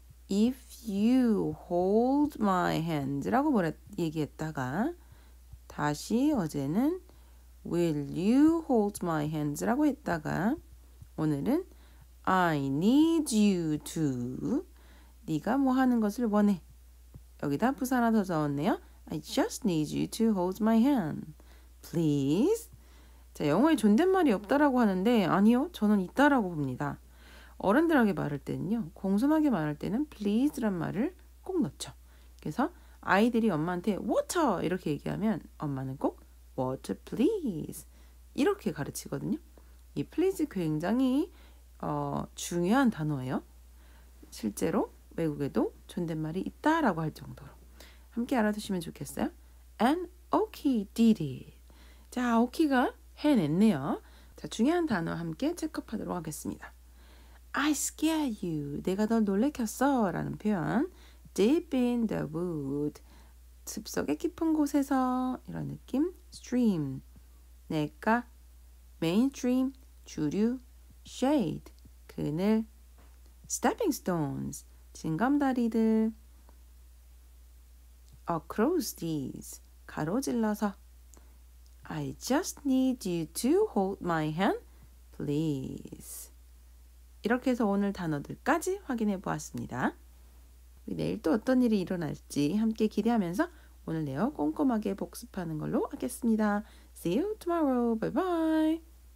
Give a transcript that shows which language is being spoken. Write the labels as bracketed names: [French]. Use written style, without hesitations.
[English] If you hold my hand [Korean] 라고 얘기했다가 다시 어제는 [English] will you hold my hand [Korean] 라고 했다가 오늘은 [English] I need you to [Korean] 네가 뭐 하는 것을 원해 여기다 부사 하나 더 넣었네요. [English] I just need you to hold my hand please. [Korean] 자, 영어에 존댓말이 없다라고 하는데 아니요 저는 있다라고 봅니다. 어른들에게 말할 때는요. 공손하게 말할 때는 please란 말을 꼭 넣죠. 그래서 아이들이 엄마한테 water 이렇게 얘기하면 엄마는 꼭 water please 이렇게 가르치거든요. 이 please 굉장히 중요한 단어예요. 실제로 외국에도 존댓말이 있다라고 할 정도로 함께 알아두시면 좋겠어요. [English] And Oki did it. [Korean] 자, Oki가 해냈네요. 자, 중요한 단어 함께 체크업하도록 하겠습니다. [English] I scare you. [Korean] 내가 널 놀래켰어. 라는 표현. [English] deep in the wood. [Korean] 숲속의 깊은 곳에서 이런 느낌. [English] stream. [Korean] 내가 mainstream 주류 shade 그늘 stepping stones 진검다리들 across these 가로질러서 [English] I just need you to hold my hand please [Korean] 이렇게 해서 오늘 단어들까지 확인해 보았습니다. 내일 또 어떤 일이 일어날지 함께 기대하면서 오늘 내용 꼼꼼하게 복습하는 걸로 하겠습니다. [English] See you tomorrow. Bye bye.